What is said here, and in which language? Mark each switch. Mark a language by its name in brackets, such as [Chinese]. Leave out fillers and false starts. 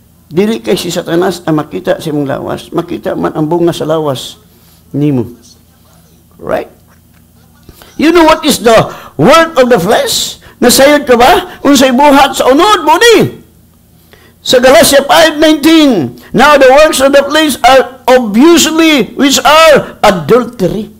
[Cebuano] Dili kay si Satanas ang makita sa imong lawas. Makita man ang bunga sa lawas nimo. [English] Right? You know what is the work of the flesh? [Cebuano] Nasayod ka ba? Unsay buhat sa unod mo ni? [English] Sa Galatia 5:19, now the works of the flesh are obviously which are adultery.